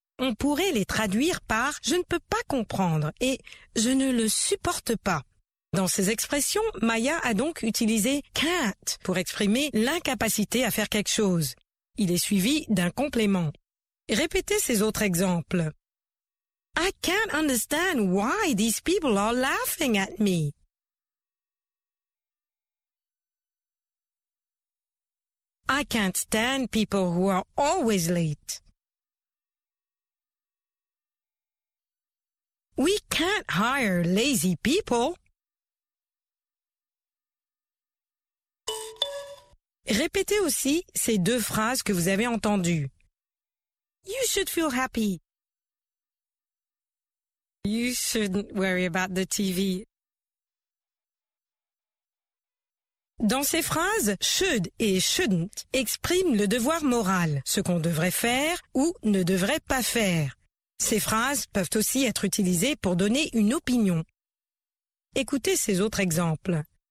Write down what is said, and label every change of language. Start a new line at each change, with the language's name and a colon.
French: On pourrait les traduire par « je ne peux pas comprendre » et « je ne le supporte pas ». Dans ces expressions, Maya a donc utilisé « can't » pour exprimer l'incapacité à faire quelque chose. Il est suivi d'un complément. Répétez ces autres exemples.
English: « I can't understand why these people are laughing at me ». I can't stand people who are always late. We can't hire lazy people.
French: Répétez aussi ces deux phrases que vous avez entendues.
English: You should feel happy. You shouldn't worry about the TV.
French: Dans ces phrases, « should » et « shouldn't » expriment le devoir moral, ce qu'on devrait faire ou ne devrait pas faire. Ces phrases peuvent aussi être utilisées pour donner une opinion. Écoutez ces autres exemples.